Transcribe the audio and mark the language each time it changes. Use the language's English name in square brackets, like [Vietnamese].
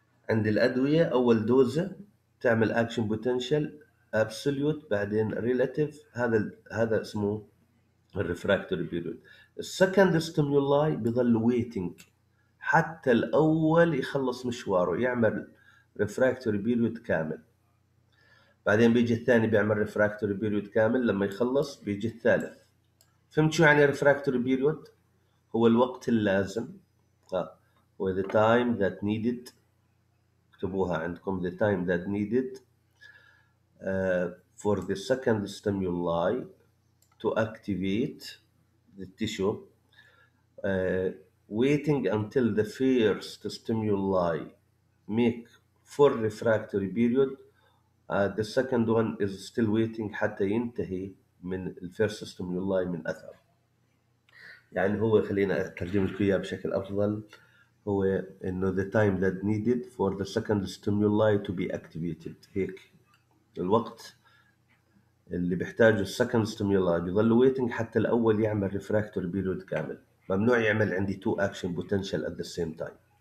[Arabic] عند الادويه اول دوزه تعمل اكشن بوتنشال ابسوليوت بعدين ريلاتيف، هذا اسمه الريفراكتوري بيريود. السكند ستيمولاي بيظل ويتينج حتى الاول يخلص مشواره يعمل ريفراكتوري بيريود كامل، بعدين بيجي الثاني بيعمل ريفراكتوري بيريود كامل، لما يخلص بيجي الثالث فهمت شو يعني [English] refractory period؟ [Arabic] هو الوقت اللازم هو [English] the time that needed، [Arabic] اكتبوها عندكم [English] the time that needed for the second stimuli to activate the tissue waiting until the first stimuli make for refractory period the second one is still waiting [Arabic] حتى ينتهي من الفيرست ستيمولاي من اثر. يعني هو خلينا اترجم لكم اياه بشكل افضل، هو انه [English] the time that needed for the second stimuli to be activated، [Arabic] هيك الوقت اللي بحتاجه السكند ستيمولاي بيظل ويتنج حتى الاول يعمل ريفراكتور بيريود كامل، ممنوع يعمل عندي [English] Two action potential at the same time.